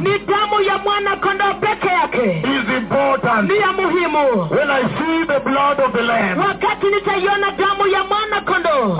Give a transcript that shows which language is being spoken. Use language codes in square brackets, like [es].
[sw] ni damu ya mwana kondoo peke yake, [en] is important, [sw] ni ya muhimu, [en] when I see the blood of the lamb, [sw] wakati nitaiona damu ya mwana kondoo,